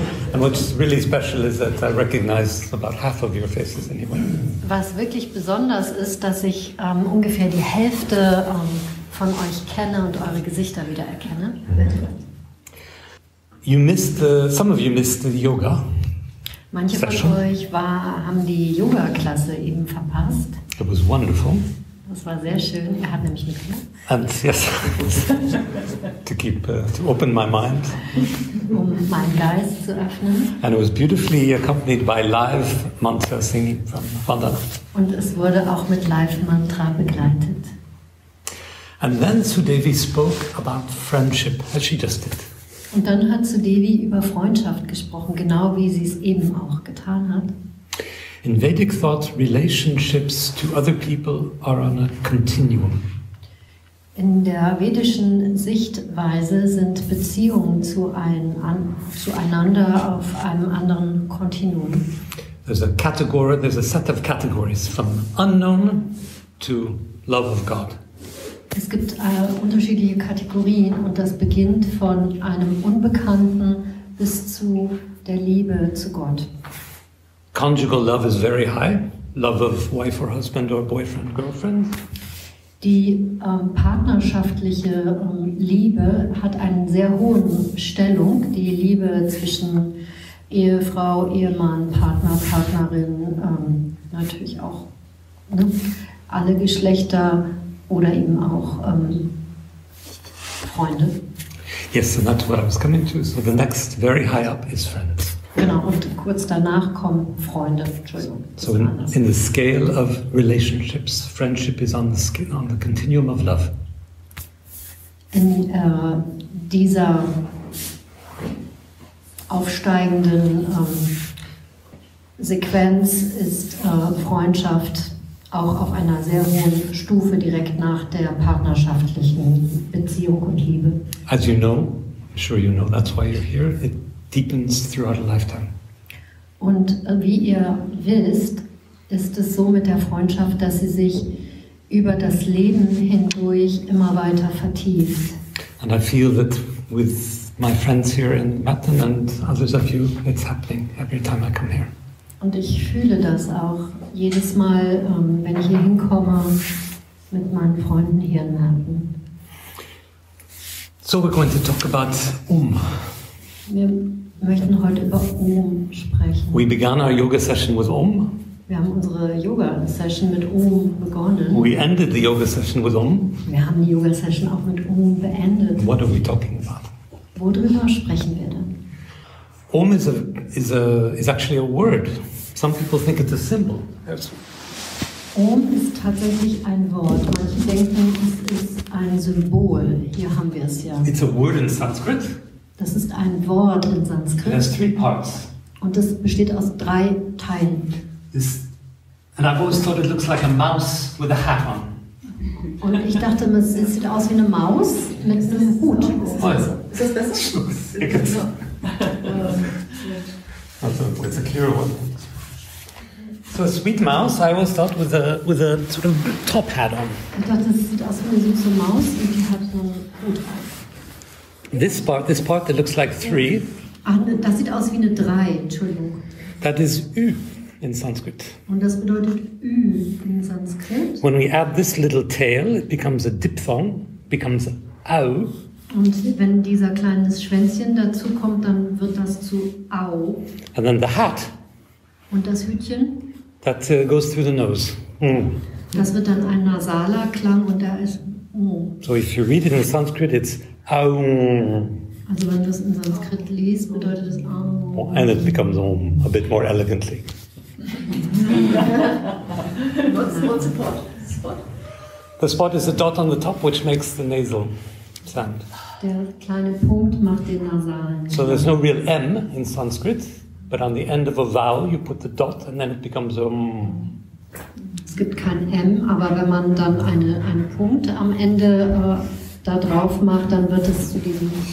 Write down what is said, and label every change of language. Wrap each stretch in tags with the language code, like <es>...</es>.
<en>And what's really special is that I recognize about half of your faces anyway.</en> <de>Was wirklich besonders ist, dass ich ungefähr die Hälfte von euch kenne und eure Gesichter wieder erkenne.</de> <en>You missed the, some of you missed the yoga.</en> <de>Manche</de> <en>session.</en> <de>Von euch war, haben die Yoga-Klasse eben verpasst.</de> <en>It was wonderful.</en> <de>Das war sehr schön. Er hat nämlich mit mir.</de> <en>And yes, to keep to open my mind.</en> <de>Um meinen Geist zu öffnen.</de> <en>And it was beautifully accompanied by live mantra singing from Vandana.</en> <de>Und es wurde auch mit Live-Mantra begleitet.</de> <en>And then Sudevi spoke about friendship, as she just did.</en> <de>Und dann hat Sudevi über Freundschaft gesprochen, genau wie sie es eben auch getan hat.</de> <en>In Vedic thought, relationships to other people are on a continuum.</en> <de>In der vedischen Sichtweise sind Beziehungen zueinander auf einem anderen Kontinuum.</de> <en>There's a category, there's a set of categories from unknown to love of God.</en> <de>Es gibt unterschiedliche Kategorien und das beginnt von einem Unbekannten bis zu der Liebe zu Gott.</de> <en>Conjugal love is very high. Love of wife or husband or boyfriend, girlfriend.</en> <de>Die partnerschaftliche Liebe hat einen sehr hohen Stellung. Die Liebe zwischen Ehefrau, Ehemann, Partner, Partnerin, natürlich auch ne, alle Geschlechter oder eben auch Freunde.</de> <en>Yes, and that's what I was coming to. So the next very high up is friends.</en> <de>Genau, und kurz danach kommen Freunde. Entschuldigung.</de> <en>So in the scale of relationships, friendship is on the continuum of love.</en> <de>In dieser aufsteigenden Sequenz ist Freundschaft auch auf einer sehr hohen Stufe direkt nach der partnerschaftlichen Beziehung und Liebe.</de> <en>As you know, I'm sure you know, that's why you're here. It deepens throughout a lifetime.</en> <de>Und wie ihr wisst, ist es so mit der Freundschaft, dass sie sich über das Leben hindurch immer weiter vertieft.</de> <en>And I feel that with my friends here in Metten and others of you, it's happening every time I come here.</en> <de>Und ich fühle das auch jedes Mal, wenn ich hier hinkomme mit meinen Freunden hier in Metten.</de> <en>So we're going to talk about</en> <de>Wir möchten heute über Om sprechen.</de> <en>We began our yoga session with Om.</en> <de>Wir haben unsere Yoga Session mit Om begonnen.</de> <en>We ended the yoga session with Om.</en> <de>Wir haben die Yoga Session auch mit Om beendet.</de> <en>What are we talking about?</en> <de>Worüber sprechen wir denn?</de> <en>Om is actually a word. Some people think it's a symbol. Yes.</en> <de>Om ist tatsächlich ein Wort. Manche denken, es ist ein Symbol. Hier haben wir es ja.</de> <en>It's a word in Sanskrit.</en> <de>Das ist ein Wort in Sanskrit.</de> <en>It has three parts.</en> <de>Und es besteht aus drei Teilen.</de> <en>This, and I've always thought it looks like a mouse with a hat on.</en> <de>Und ich dachte, es sieht aus wie eine Maus mit einem Hut. Ist das besser?</de> <en>That's a clearer one. So a sweet mouse, I always thought, with a sort of top hat on.</en> <de>Ich dachte, es sieht aus wie eine süße Maus und die hat einen Hut auf.</de> <en>This part that looks like three.</en> <de>Ah, das sieht aus wie eine drei. Entschuldigung.</de> <en>That is ü in Sanskrit.</en> <de>Und das bedeutet ü in Sanskrit.</de> <en>When we add this little tail, it becomes a diphthong, becomes au.</en> <de>Und wenn dieser kleine Schwänzchen dazu kommt, dann wird das zu au.</de> <en>And then the hat.</en> <de>Und das Hütchen.</de> <en>That goes through the nose. Mm.</en> <de>Das wird dann ein nasaler Klang und da ist o.</de> <en>So if you read it in Sanskrit, it's</en> <de>Also wenn du es in Sanskrit liest, bedeutet es Aum.</de> <en>Oh, and it becomes Aum a bit more elegantly. What's the spot? The spot is the dot on the top, which makes the nasal sound.</en> <de>Der kleine Punkt macht den nasalen.</de> <en>So there's no real M in Sanskrit, but on the end of a vowel you put the dot and then it becomes Aum. So</en> <de>gibt kein M, aber wenn man dann einen Punkt am Ende da drauf macht, dann wird es zu diesem.</de>